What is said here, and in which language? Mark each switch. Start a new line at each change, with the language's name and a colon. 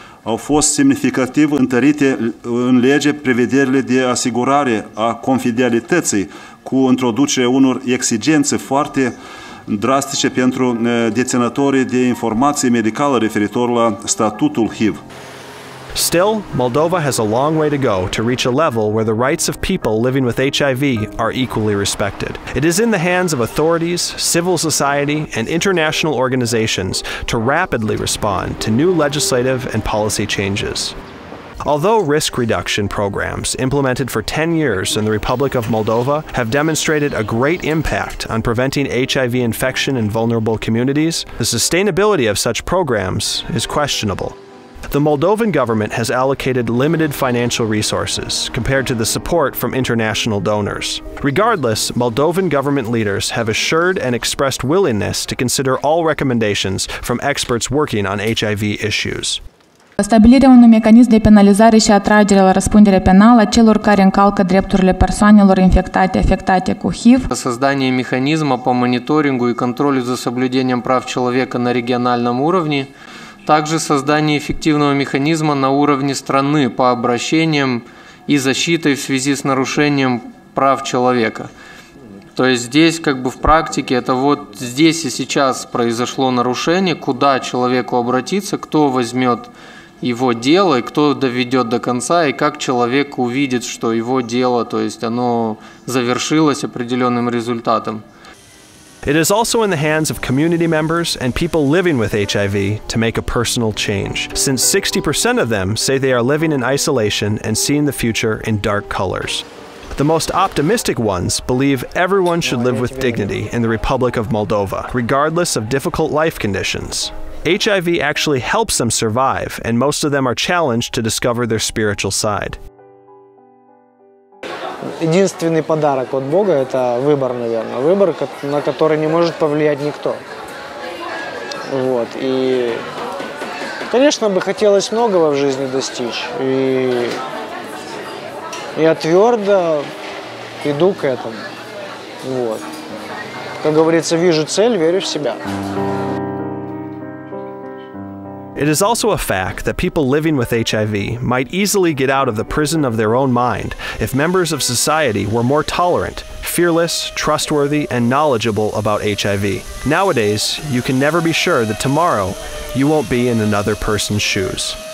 Romanian: Au fost semnificativ întărite în lege prevederile de asigurare a confidențialității cu introducerea unor exigențe foarte drastice pentru deținătorii de informații medicale referitor la statutul HIV.
English: Still, Moldova has a long way to go to reach a level where the rights of people living with HIV are equally respected. It is in the hands of authorities, civil society, and international organizations to rapidly respond to new legislative and policy changes. Although risk reduction programs implemented for 10 years in the Republic of Moldova have demonstrated a great impact on preventing HIV infection in vulnerable communities, the sustainability of such programs is questionable. The Moldovan government has allocated limited financial resources compared to the support from international donors. Regardless, Moldovan government leaders have assured and expressed willingness to consider all recommendations from experts working on HIV issues.
Romanian: Stabilirea unui mecanism de penalizare și atragere la răspundere penală a celor care încalcă drepturile persoanelor infectate afectate cu HIV.
Russian: Создание механизма по мониторингу и контролю за соблюдением прав человека на региональном уровне. Также создание эффективного механизма на уровне страны по обращениям и защите в связи с нарушением прав человека. То есть здесь как бы в практике это вот здесь и сейчас произошло нарушение, куда человеку обратиться, кто возьмет его дело, и кто доведет до конца, и как человек увидит, что его дело, то есть оно завершилось определенным результатом.
English: It is also in the hands of community members and people living with HIV to make a personal change, since 60% of them say they are living in isolation and seeing the future in dark colors. The most optimistic ones believe everyone should live with dignity in the Republic of Moldova, regardless of difficult life conditions. HIV actually helps them survive, and most of them are challenged to discover their spiritual side.
Russian: Единственный подарок от Бога – это выбор, наверное. Выбор, на который не может повлиять никто. Вот. И, конечно, бы хотелось многого в жизни достичь. И я твердо иду к этому. Вот. Как говорится, вижу цель, верю в себя.
English: It is also a fact that people living with HIV might easily get out of the prison of their own mind if members of society were more tolerant, fearless, trustworthy, and knowledgeable about HIV. Nowadays, you can never be sure that tomorrow you won't be in another person's shoes.